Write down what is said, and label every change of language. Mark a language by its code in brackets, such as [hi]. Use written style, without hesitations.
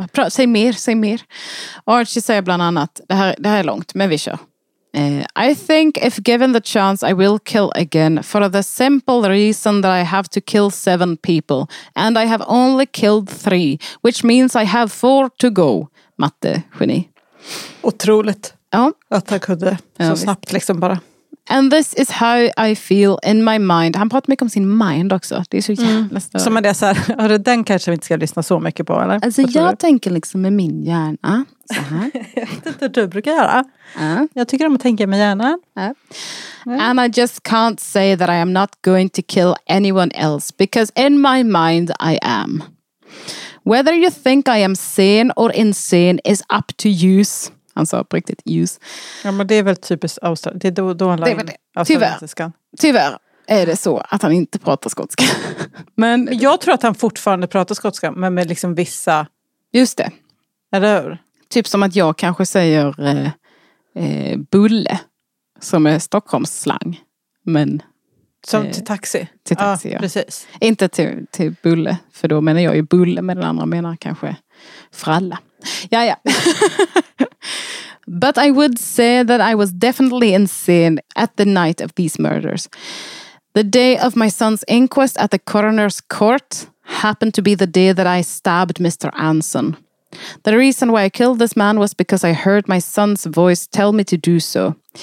[sv] Säg mer. Archie säger bland annat, det här är långt, men vi kör. [en] I think if given the chance, I will kill again for the simple reason that I have to kill 7 people and I have only killed 3, which means I have 4 to go. [sv] Matte, geni. Otroligt. Ja. Att han kunde så snabbt liksom bara. [en] And this is how I feel in my mind. [sv] Han pratar mycket om sin mind också. Det är så jävla stor. Som är det så här, hörru, den kanske vi inte ska lyssna så mycket på, eller? Alltså jag tänker liksom med min hjärna. Det du brukar göra. Jag tycker om att tänka med hjärnan. [en] And I just can't say that I am not going to kill anyone else. Because in my mind I am. Whether you think I am sane or insane is up to you. [sv] Han sa på riktigt ljus. Ja, men det är väl typiskt australiskt. Det är då han lade australiska. Tyvärr är det så att han inte pratar skotska. Men jag tror att han fortfarande pratar skotska, men med liksom vissa... Just det. Eller hur? Typ som att jag kanske säger bulle, som är Stockholms slang. Men, som till taxi? Till taxi, ja. Precis. Inte till bulle, för då menar jag ju bulle, men den andra menar kanske fralla. Jaja. [en] But I would say that I was definitely insane at the night of these murders. The day of my son's inquest at the coroner's court happened to be the day that I stabbed Mr. Anson. The reason why I killed this man was because I heard my son's voice tell me to do so.